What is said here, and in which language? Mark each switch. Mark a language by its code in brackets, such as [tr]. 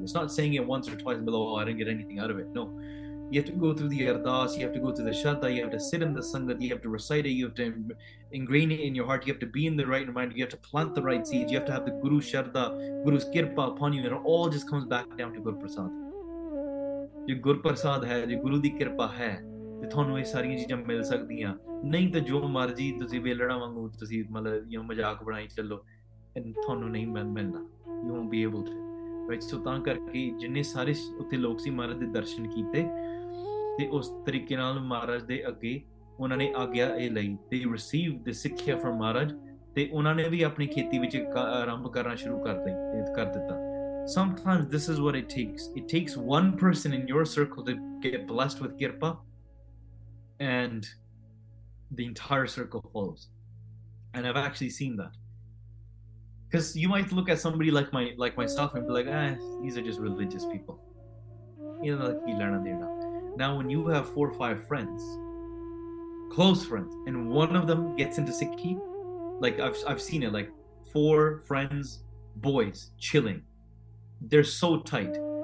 [en] It's not saying it once or twice and be like, oh, I didn't get anything out of it. No, you have to go through the ardas, you have to go through the shraddha, you have to sit in the sangat, you have to recite it, you have to ingrain it in your heart, you have to be in the right mind, you have to plant the right seeds, you have to have the guru shraddha, guru's kirpa upon you, and it all just comes back down to guru prasad. [pa] Your guru prasad hai, your guru di kirpa hai. ਤੁਹਾਨੂੰ ਇਹ ਸਾਰੀਆਂ ਚੀਜ਼ਾਂ ਮਿਲ ਸਕਦੀਆਂ, ਨਹੀਂ ਤਾਂ ਜੋ ਮਰਜ਼ੀ ਤੁਸੀਂ ਵੇਲਣਾ ਵਾਂਗੂ ਤੁਸੀਂ ਮਤਲਬ ਜਾਂ ਮਜ਼ਾਕ ਬਣਾਈ ਚੱਲੋ, ਤੁਹਾਨੂੰ ਨਹੀਂ ਮਿਲਣਾ। [en] You won't be able to, right? [pa] ਸੋ ਤਾਂ ਕਰਕੇ ਜਿੰਨੇ ਸਾਰੇ ਉੱਥੇ ਲੋਕ ਸੀ, ਮਹਾਰਾਜ ਦੇ ਦਰਸ਼ਨ ਕੀਤੇ, ਤੇ ਉਸ ਤਰੀਕੇ ਨਾਲ ਮਹਾਰਾਜ ਦੇ ਅੱਗੇ ਉਹਨਾਂ ਨੇ ਆਗਿਆ ਇਹ ਲਈ, ਤੇ [en] receive the ਸਿੱਖਿਆ from Maharaj, [pa] ਤੇ ਉਹਨਾਂ ਨੇ ਵੀ ਆਪਣੀ ਖੇਤੀ ਵਿੱਚ ਆਰੰਭ ਕਰਨਾ ਸ਼ੁਰੂ ਕਰ ਦਿੱਤਾ। [en] Sometimes this is what it takes. It takes one person in your circle to get blessed with ਕਿਰਪਾ, and the entire circle follows. And I've actually seen that, because you might look at somebody like myself and be like, ah, these are just religious people, [pa] ਇਹਨਾਂ ਦਾ ਕੀ ਲੈਣਾ ਦੇਣਾ. [en] Now when you have four or five friends, close friends, and one of them gets into sikhi, like I've seen it, like four friends, boys, chilling. They're so tight.